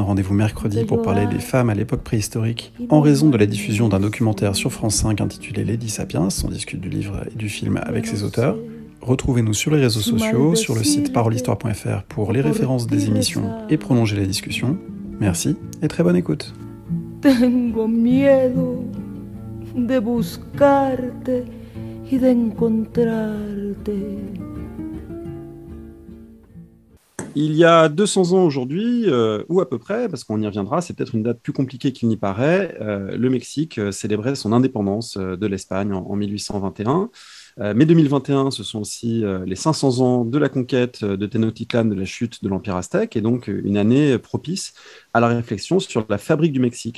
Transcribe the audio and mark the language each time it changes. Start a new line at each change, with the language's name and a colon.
French: Rendez-vous mercredi pour parler des femmes à l'époque préhistorique. En raison de la diffusion d'un documentaire sur France 5 intitulé Lady Sapiens, on discute du livre et du film avec ses auteurs. Retrouvez-nous sur les réseaux sociaux, sur le site parolehistoire.fr pour les références des émissions et prolonger la discussion. Merci et très bonne écoute.
Spanish: Tengo miedo de buscarte y de encontrarte.
French: Il y a 200 ans aujourd'hui, ou à peu près, parce qu'on y reviendra, c'est peut-être une date plus compliquée qu'il n'y paraît, le Mexique célébrait son indépendance de l'Espagne en 1821. Mais 2021, ce sont aussi les 500 ans de la conquête de Tenochtitlan, de la chute de l'Empire aztèque, et donc une année propice à la réflexion sur la fabrique du Mexique.